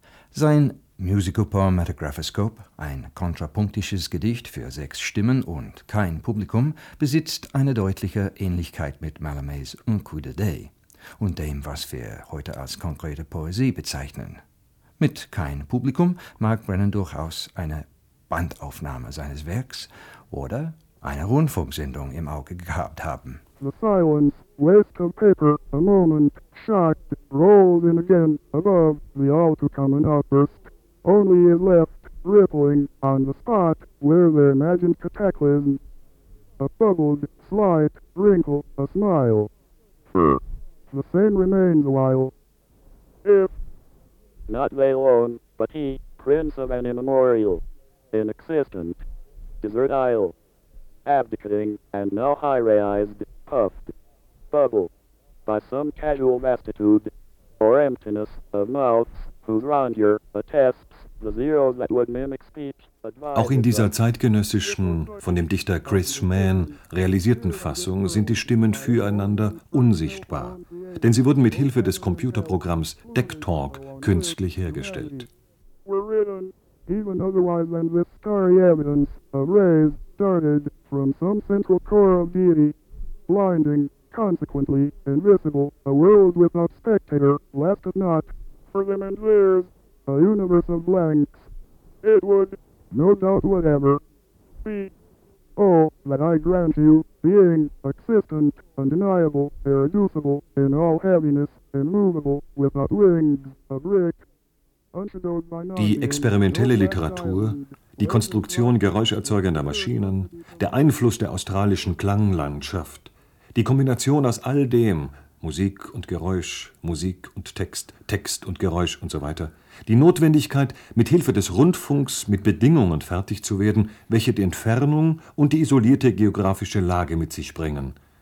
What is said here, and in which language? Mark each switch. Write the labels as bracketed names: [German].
[German] Sein Musical Poem Metagraphoscope, ein kontrapunktisches Gedicht für 6 Stimmen und kein Publikum, besitzt eine deutliche Ähnlichkeit mit Mallarmés Un coup de dé und dem, was wir heute als konkrete Poesie bezeichnen. Mit kein Publikum mag Brennan durchaus eine Bandaufnahme seines Werks oder eine Rundfunksendung im Auge gehabt haben. [English] The silence, waste of paper, a moment, shy, rolled in again, above, the all to come and outburst, only it left, rippling, on the spot, where the imagined cataclysm, a bubbled, slight, wrinkle, a smile, the same remains a while, if, not they alone, but he, prince of an immemorial, inexistent, desert isle, abdicating, and now high-raised, puffed, bubble, by some casual vastitude, or emptiness of mouths, whose rondure attests the zeros that would mimic speech. [German] Auch in dieser zeitgenössischen, von dem Dichter Chris Mann realisierten Fassung sind die Stimmen füreinander unsichtbar, denn sie wurden mit Hilfe des Computerprogramms DeckTalk künstlich hergestellt. [English] Even otherwise than this starry evidence, a ray started from some central core of deity, blinding, consequently, invisible, a world without spectator, left of not, for them and theirs, a universe of blanks. It would, no doubt whatever, be, oh, that I grant you, being, existent, undeniable, irreducible, in all heaviness, immovable, without wings, a brick. [German] Die experimentelle Literatur, die Konstruktion geräuscherzeugender Maschinen, der Einfluss der australischen Klanglandschaft, die Kombination aus all dem, Musik und Geräusch, Musik und Text, Text und Geräusch und so weiter, die Notwendigkeit, mit Hilfe des Rundfunks mit Bedingungen fertig zu werden, welche die Entfernung und die isolierte geografische Lage mit sich bringen.